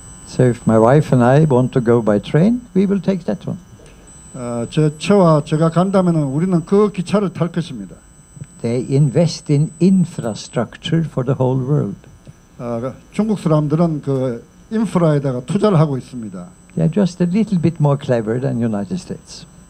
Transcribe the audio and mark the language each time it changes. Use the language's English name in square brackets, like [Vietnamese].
[English] So if my wife and I want to go by train, we will take that one. [Korean] 제 처와 제가 간다면은 우리는 그 기차를 탈 것입니다. [English] They invest in infrastructure for the whole world. [Korean] 중국 사람들은 그 인프라에다가 투자를 하고 있습니다. [English] They are just a little bit more clever than United States.